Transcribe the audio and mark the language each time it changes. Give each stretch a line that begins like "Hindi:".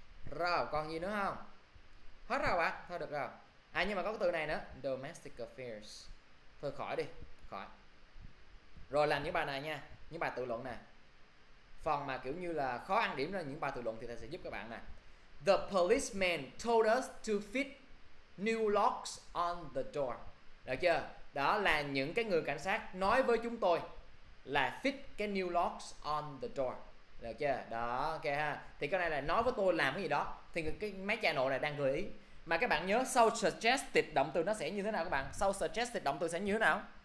Vietnamese: Rồi còn gì nữa không? Hết rồi ạ. Thôi được rồi. À nhưng mà có cái từ này nữa. Domestic affairs. Thôi khỏi đi. Khỏi. Rồi làm những bài này nha. Những bài tự luận nè. Phần mà kiểu như là khó ăn điểm là những bài tự luận thì thầy sẽ giúp các bạn nè.
English: The policeman told us to fit new locks on the door.
Vietnamese: Được chưa? Đó là những cái người cảnh sát nói với chúng tôi là fit cái
English: new locks on the door.
Vietnamese: Được chưa? Đó, ok ha. Thì cái này là nói với tôi làm cái gì đó. Thì cái máy cha nội này đang gợi ý. Mà các bạn nhớ sau suggested động từ nó sẽ như thế nào các bạn? Sau suggested động từ sẽ như thế nào?